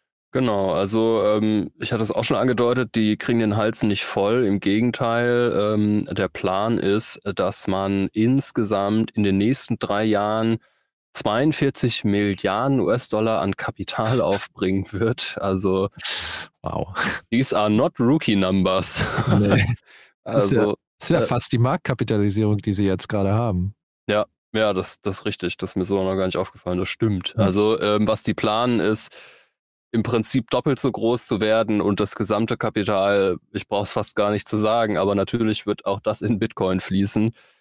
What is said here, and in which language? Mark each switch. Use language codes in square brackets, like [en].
[de] Genau, also ich hatte es auch schon angedeutet, die kriegen den Hals nicht voll. Im Gegenteil, der Plan ist, dass man insgesamt in den nächsten 3 Jahren 42 Milliarden US-Dollar an Kapital aufbringen wird. Also, wow. [en] These are not rookie numbers. [de] Nee. Also, das ist ja fast die Marktkapitalisierung, die sie jetzt gerade haben. Ja, das ist richtig. Das ist mir so noch gar nicht aufgefallen. Das stimmt. Mhm. Also, was die planen, ist im Prinzip doppelt so groß zu werden und das gesamte Kapital, ich brauche es fast gar nicht zu sagen, aber natürlich wird auch das in Bitcoin fließen.